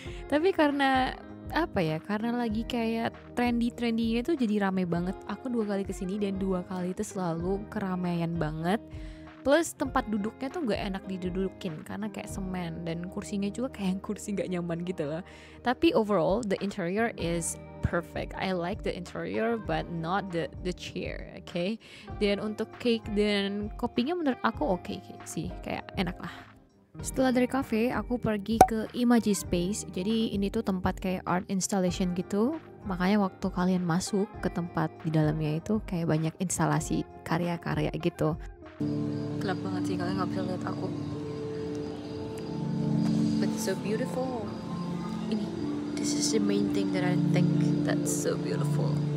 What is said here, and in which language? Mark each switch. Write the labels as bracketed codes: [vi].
[id] Tapi karena apa ya? Karena lagi kayak trendy-trendynya tuh jadi rame banget. Aku dua kali kesini dan dua kali itu selalu keramaian banget. Plus tempat duduknya tuh gak enak didudukin karena kayak semen, dan kursinya juga kayak kursi gak nyaman gitu lah. [en] Tapi overall, the interior is perfect. I like the interior but not the chair, okay? [id] Dan untuk cake dan kopinya menurut aku okay sih, kayak enak lah. Setelah dari cafe, aku pergi ke Imaji Space. Jadi ini tuh tempat kayak art installation gitu. Makanya waktu kalian masuk ke tempat di dalamnya itu kayak banyak instalasi karya-karya gitu. Gelap banget sih, kalian gak bisa lihat aku. [en] But it's so beautiful. Ini, this is the main thing that I think that's so beautiful.